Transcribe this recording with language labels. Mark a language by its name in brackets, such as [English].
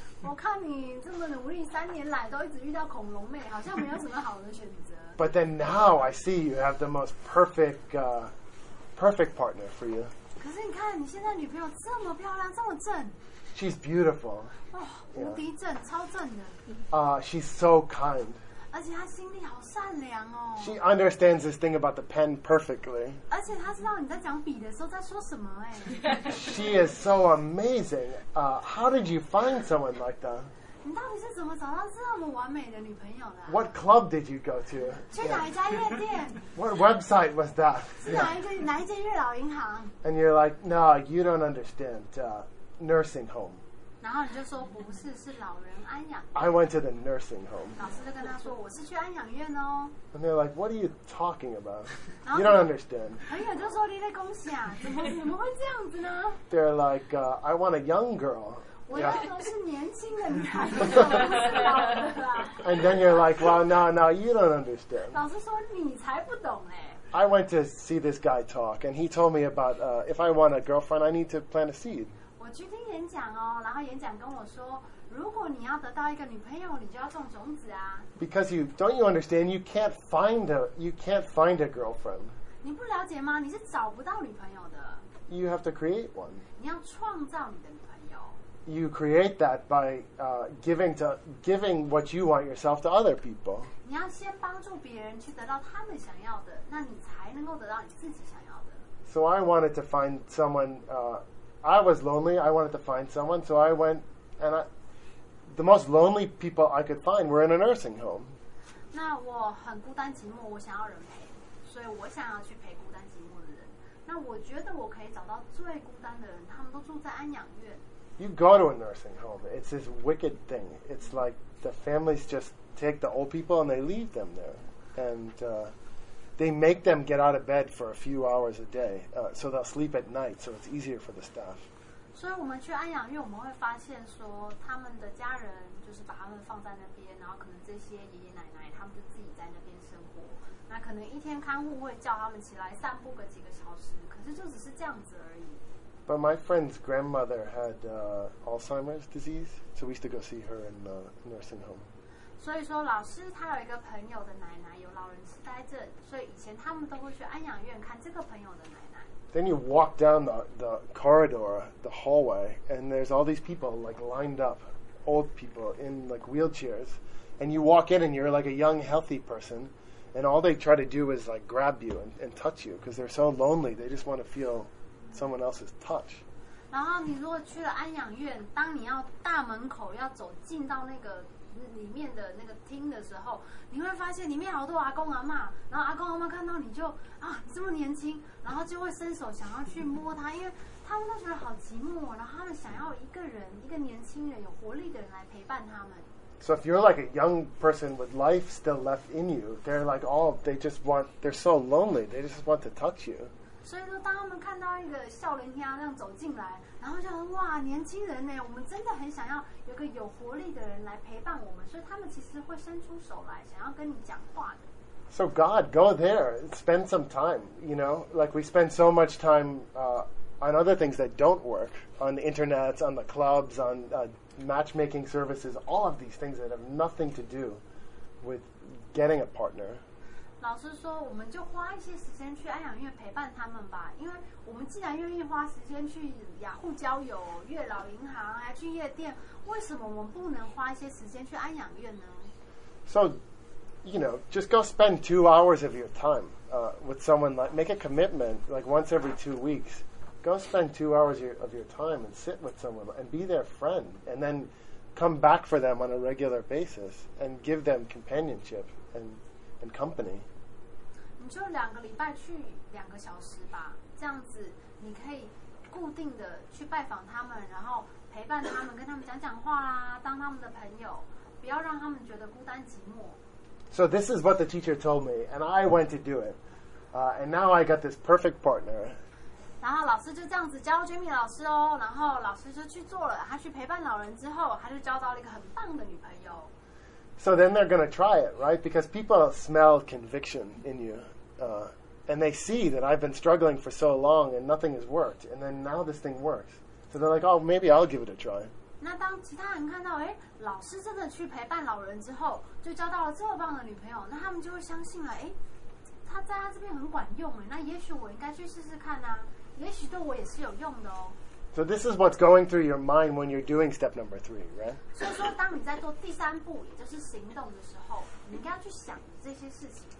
[Chinese] 我看你这么努力三年来都一直遇到恐龙妹，好像没有什么好的选择。 [English] But then now I see you have the most perfect partner for you. [Chinese] 可是你看你现在女朋友这么漂亮，这么正。 [English] She's beautiful. [Chinese] 哇，无敌正，超正的。 [English] She's so kind. [Chinese] 而且她心地好善良哦。 [English] She understands this thing about the pen perfectly. [Chinese] 而且她知道你在讲笔的时候在说什么哎。 [English] She is so amazing. How did you find someone like that? [Chinese] 你到底是怎么找到这么完美的女朋友的？ [English] What club did you go to? [Chinese] 去哪一家夜店？ [English] What website was that? [Chinese] 是哪一间月老银行？ [English] And you're like, no, you don't understand. Nursing home. [Chinese] 然后你就说不是，是老人安养。 [English] I went to the nursing home. [Chinese] 老师就跟他说，我是去安养院哦。 [English] And they're like, what are you talking about? You don't understand. [Chinese] 朋友就说你在恭喜啊，怎么会这样子呢？ [English] They're like, I want a young girl. [Chinese] 我要的是年轻的女孩子。 [English] And then you're like, well, no, you don't understand. [Chinese] 老师说你才不懂哎。 [English] I went to see this guy talk, and he told me about if I want a girlfriend, I need to plant a seed. [Chinese] 我去听演讲哦，然后演讲跟我说，如果你要得到一个女朋友，你就要种种子啊。 [English] Because you don't you understand? You can't find a girlfriend. [Chinese] 你不了解吗？你是找不到女朋友的。 [English] You have to create one. [Chinese] 你要创造你的女朋友。 [English] You create that by giving what you want yourself to other people. [Chinese] 你要先帮助别人去得到他们想要的，那你才能够得到你自己想要的。 [English] So I wanted to find someone. I was lonely. I wanted to find someone, so I went, and the most lonely people I could find were in a nursing home. [Chinese] 那我很孤单寂寞，我想要人陪，所以我想要去陪孤单寂寞的人。那我觉得我可以找到最孤单的人，他们都住在安养院。 [English] You go to a nursing home. It's this wicked thing. It's like the families just take the old people and they leave them there, and they make them get out of bed for a few hours a day, so they'll sleep at night, so it's easier for the staff. So we go to [Chinese] 安养院，我们会发现说他们的家人就是把他们放在那边，然后可能这些爷爷奶奶他们就自己在那边生活。那可能一天看护会叫他们起来散步个几个小时，可是就只是这样子而已。 [English] But my friend's grandmother had Alzheimer's disease, so we used to go see her in the nursing home. [Chinese] 所以说老师他有一个朋友的奶奶有老人痴呆症，所以以前他们都会去安养院看这个朋友的奶奶。 [English] Then you walk down the corridor, the hallway, and there's all these people like lined up, old people in like wheelchairs, and you walk in and you're like a young healthy person, and all they try to do is like grab you and touch you because they're so lonely, they just want to feel someone else's touch. [Chinese] 然后你如果去了安养院，当你要大门口要走进到那个里面的那个厅的时候，你会发现里面好多阿公阿嬷，然后阿公阿嬷看到你就啊这么年轻，然后就会伸手想要去摸他，因为他们都觉得好寂寞，然后他们想要一个人，一个年轻人有活力的人来陪伴他们。 [English] So if you're like a young person with life still left in you, they're like all they just want. They're so lonely. They just want to touch you. [Chinese] 所以说，当他们看到一个少年天啊那样走进来。然后就说哇，年轻人呢，我们真的很想要有个有活力的人来陪伴我们，所以他们其实会伸出手来，想要跟你讲话的。 [English] So God, go there, spend some time. You know, like we spend so much time on other things that don't work, on the internet, on the clubs, on matchmaking services, all of these things that have nothing to do with getting a partner. [Chinese] 老师说，我们就花一些时间去安养院陪伴他们吧，因为我们既然愿意花时间去雅虎交友、月老银行啊，去夜店，为什么我们不能花一些时间去安养院呢 [English] ？So, you know, just go spend 2 hours of your time with someone. Like, make a commitment, like once every 2 weeks, go spend 2 hours of your time and sit with someone and be their friend, and then come back for them on a regular basis and give them companionship and company. [Chinese] 你就两个礼拜去两个小时吧，这样子你可以固定的去拜访他们，然后陪伴他们，跟他们讲讲话啦，当他们的朋友，不要让他们觉得孤单寂寞。 [English] So this is what the teacher told me, and I went to do it. And now I got this perfect partner. [Chinese] 然后老师就这样子教 Jimmy 老师哦，然后老师就去做了，他去陪伴老人之后，他就交到了一个很棒的女朋友。 [English] So then they're going to try it, right? Because people smell conviction in you. And they see that I've been struggling for so long and nothing has worked. And then now this thing works. So they're like, oh, maybe I'll give it a try. [Chinese] 那当其他人看到，诶，老师真的去陪伴老人之后，就交到了这么棒的女朋友，那他们就会相信了，诶，他在他这边很管用，诶，那也许我应该去试试看啊，也许对我也是有用的哦。 [English] So this is what's going through your mind when you're doing step number three, right? [Chinese] 所以说当你在做第三步，也就是行动的时候，你应该要去想这些事情。